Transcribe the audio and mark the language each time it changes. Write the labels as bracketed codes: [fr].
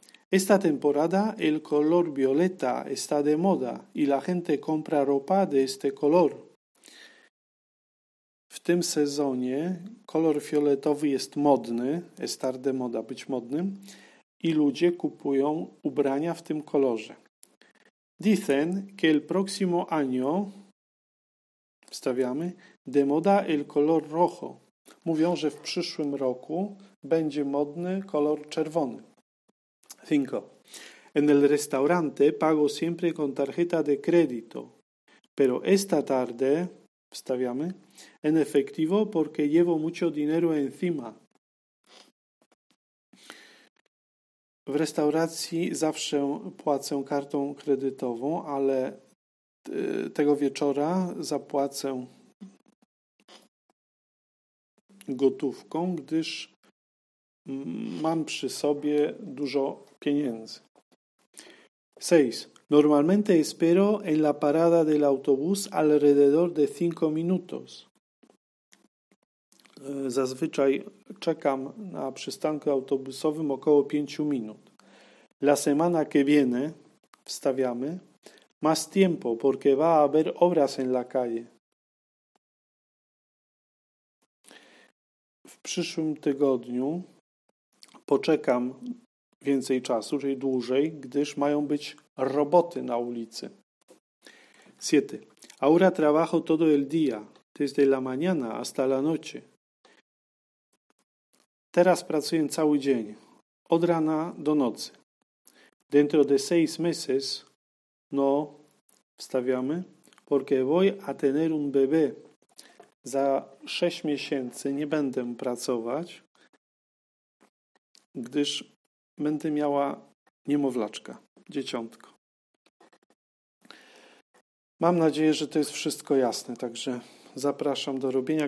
[es] Esta temporada el color violeta está de moda y la gente compra ropa de este color. [pl] W tym sezonie kolor fioletowy jest modny, [es] estar de moda, [pl] być modnym, i ludzie kupują ubrania w tym kolorze. [es] Dicen que el próximo año, [pl] wstawiamy, [es] de moda el color rojo. [pl] Mówią, że w przyszłym roku będzie modny kolor czerwony. 5. [es] En el restaurante pago siempre con tarjeta de crédito, pero esta tarde, [pl] wstawiamy, [es] en efectivo porque llevo mucho dinero encima. [pl] W restauracji zawsze płacę kartą kredytową, ale tego wieczora zapłacę gotówką, gdyż mam przy sobie dużo pieniędzy. 6. [es] Normalmente espero en la parada del autobús alrededor de 5 minutos. [pl] Zazwyczaj czekam na przystanku autobusowym około 5 minut. [es] La semana que viene, [pl] wstawiamy, [es] más tiempo porque va a haber obras en la calle. [pl] W przyszłym tygodniu poczekam więcej czasu, czyli dłużej, gdyż mają być roboty na ulicy. 7. [es] Ahora trabajo todo el día, desde la mañana hasta la noche. [pl] Teraz pracuję cały dzień, od rana do nocy. [es] Dentro de 6 meses, no, [pl] wstawiamy, [es] porque voy a tener un bebé. [pl] Za 6 miesięcy nie będę pracować, gdyż będę miała niemowlaczka, dzieciątko. Mam nadzieję, że to jest wszystko jasne, także zapraszam do robienia.